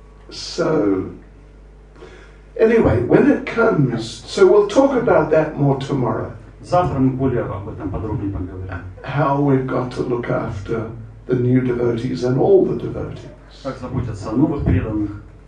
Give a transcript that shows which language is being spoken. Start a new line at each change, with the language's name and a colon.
English: So, anyway, when it comes, so we'll talk about that more tomorrow.
Russian: Завтра мы более об этом подробнее поговорим.
English: How we've got to look after the new devotees and all the devotees.
Russian: Как заботиться о новых преданных.